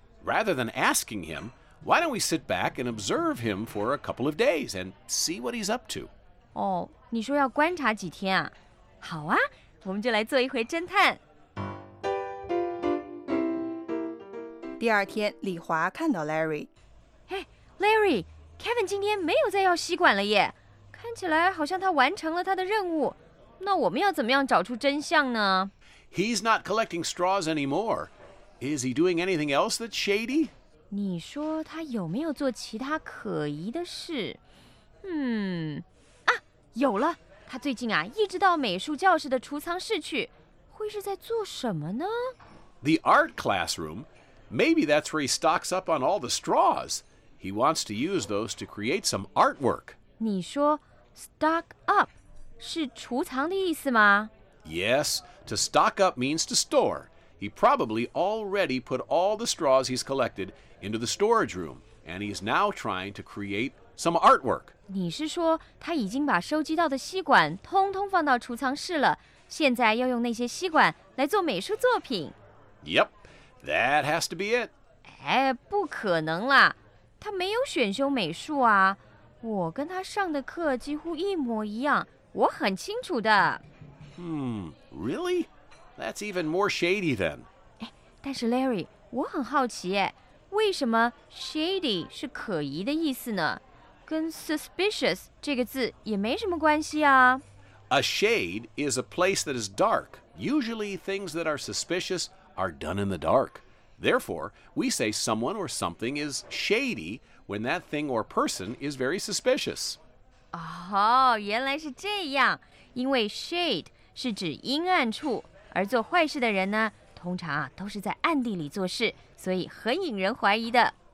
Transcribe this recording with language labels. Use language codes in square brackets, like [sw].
[en] Rather than asking him, why don't we sit back and observe him for a couple of days and see what he's up to? [zh] 你说要观察几天啊？好啊，我们就来做一回侦探。第二天，李华看到 Larry。 Larry，Kevin 今天没有再要吸管了耶。看起来好像他完成了他的任务，那我们要怎么样找出真相呢？ [en] He's not collecting straws anymore. Is he doing anything else that's shady? [zh] 你说他有没有做其他可疑的事？有了，他最近一直到美术教室的储藏室去，会是在做什么呢？ [en] The art classroom. Maybe that's where he stocks up on all the straws. He wants to use those to create some artwork. [zh] 你说 stock up 是储藏的意思吗？ [en] Yes, to stock up means to store. He probably already put all the straws he's collected into the storage room, and he's now trying to create some artwork. [zh] 你是说他已经把收集到的吸管通通放到储藏室了，现在要用那些吸管来做美术作品？ [en] Yep, that has to be it. [zh] 哎，不可能啦，他没有选修美术啊，我跟他上的课几乎一模一样，我很清楚的。 [en] Really? That's even more shady then. [zh] 哎，但是 Larry, 我很好奇耶，为什么 shady 是可疑的意思呢？跟 suspicious 这个字也没什么关系啊。 [en] A shade is a place that is dark. Usually things that are suspicious are done in the dark. Therefore, we say someone or something is shady when that thing or person is very suspicious. [zh] Oh, 原来是这样。因为 shade 是指阴暗处，而做坏事的人呢，通常啊，都是在暗地里做事，所以很引人怀疑的。